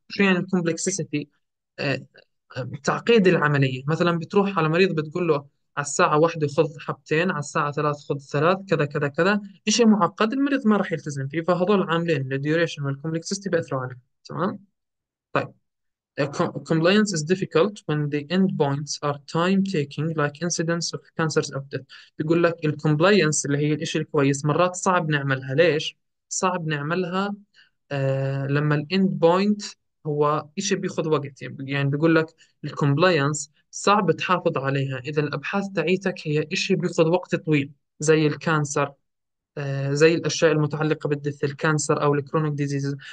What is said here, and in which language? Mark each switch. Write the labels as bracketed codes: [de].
[ar] شو يعني الكومبلكسيتي؟ تعقيد العملية. مثلا بتروح على مريض بتقول له على الساعة 1 خذ حبتين، على الساعة 3 خذ 3، كذا كذا كذا. إشي معقد المريض ما راح يلتزم فيه، فهذول العاملين الديوريشن والكومبلكسيتي بيأثروا عليه. تمام؟ طيب [en] compliance is difficult when the end points are time taking like incidence of cancers of death. [ar] بيقول لك ال compliance اللي هي الإشي الكويس مرات صعب نعملها. ليش؟ صعب نعملها لما ال end point هو إشي بياخذ وقت. يعني بيقول لك ال compliance صعب تحافظ عليها إذا الأبحاث تعيتك هي إشي بياخذ وقت طويل، زي الكانسر، زي الأشياء المتعلقة بالدث، الكانسر أو الكرونيك ديزيز.